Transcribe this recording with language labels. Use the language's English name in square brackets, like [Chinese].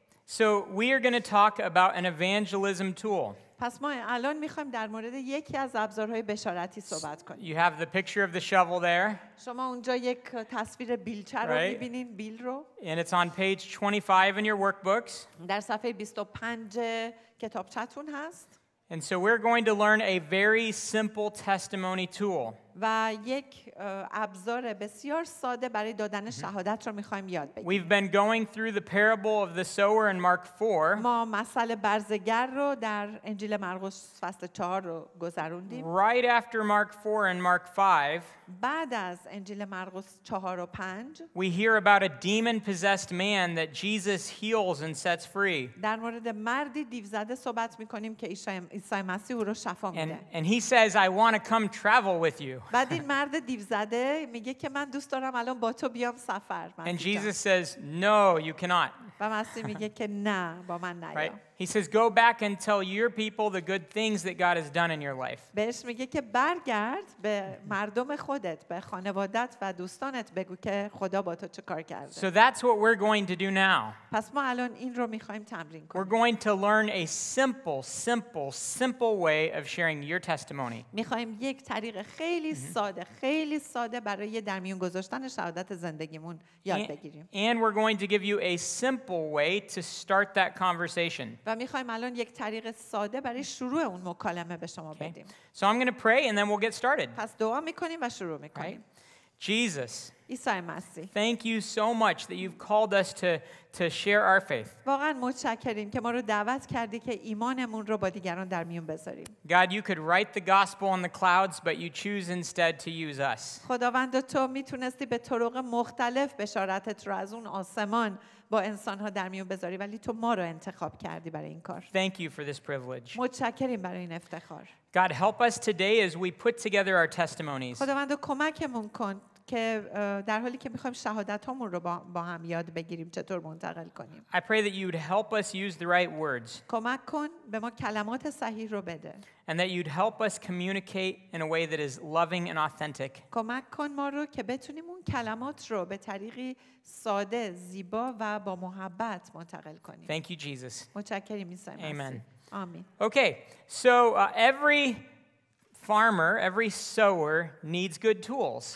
[English] So we are going to talk about an evangelism tool. [Persian] پس ما الان می‌خوایم در مورد یکی از ابزارهای بشارتی صحبت کنیم. [English] You have the picture of the shovel there. [Persian] شما اونجا یک تصویر بیلچه رو می‌بینین، بیل رو. [English] And it's on page 25 in your workbooks. [Persian] در صفحه 25 کتابچه‌تون هست. [English] And so we're going to learn a very simple testimony tool. [Persian] و یک ابزار بسیار ساده برای دادن شهادت رو می‌خوایم یاد بگیریم. [English] We've been going through the parable of the sower in Mark 4. [Persian] ما مثل برزگر رو در انجیل مرقس فصل 4 رو گذروندیم. [English] Right after Mark 4 and Mark 5. [Persian] بعد از انجیل مرقس 4 و 5. [English] We hear about a demon-possessed man that Jesus heals and sets free. [Persian] در مورد مردی دیوزده صحبت می‌کنیم که عیسی مسیح او رو شفا میده. [English] And he says, "I want to come travel with you." [Persian] بعد این مرد دیوزده میگه که من دوست دارم الان با تو بیام سفر. [English] And Jesus says, "No, you cannot." [Persian] و مسیح میگه که نه، با من نیا. [English] Right. He says, go back and tell your people the good things that God has done in your life. [Persian] بهش میگه که برگرد به مردم خودت، به خانوادت و دوستانت بگو که خدا با تو چه کار کرده. [English] So that's what we're going to do now. [Persian] پس ما الان این رو میخوایم تمرین کنیم. [English] We're going to learn a simple, simple, simple way of sharing your testimony. [Persian] میخوایم یک طریق خیلی ساده، خیلی ساده برای در میون گذاشتن شهادت زندگیمون یاد بگیریم. [English] And we're going to give you a simple way to start that conversation. [Persian] و می‌خوایم الان یک طریق ساده برای شروع اون مکالمه به شما بدیم. [English] So I'm going to pray and then we'll get started. [Persian] پس دعا می‌کنیم و شروع می‌کنیم. [English] Jesus. [Persian] عیسی مسیح. [English] Thank you so much that you've called us to share our faith. [Persian] واقعاً متشکریم که ما رو دعوت کردی که ایمانمون رو با دیگران در میون بذاریم. [English] God, you could write the gospel on the clouds, but you choose instead to use us. [Persian] خداوند تو می‌تونستی به طرق مختلف بشارتت رو از اون آسمان با انسان‌ها در میون بذاری، ولی تو ما رو انتخاب کردی برای این کار. [English] Thank you for this privilege. [Persian] متشکریم برای این افتخار. [English] God help us today as we put together our testimonies. [Persian] خداوند کمکمون کن که در حالی که می‌خوایم شهادت‌هامون رو با هم یاد بگیریم چطور منتقل کنیم. [English] I pray that you'd help us use the right words. [Persian] کمک کن به ما کلمات صحیح رو بده. [English] And that you'd help us communicate in a way that is loving and authentic. [Persian] کمک کن ما رو که بتونیم اون کلمات رو به طریقی ساده، زیبا و با محبت منتقل کنیم. [English] Thank you, Jesus. [Persian] متشکرم عیسی مسیح. [English] Amen. [Persian] آمین. [English] Okay. So every farmer, every sower needs good tools.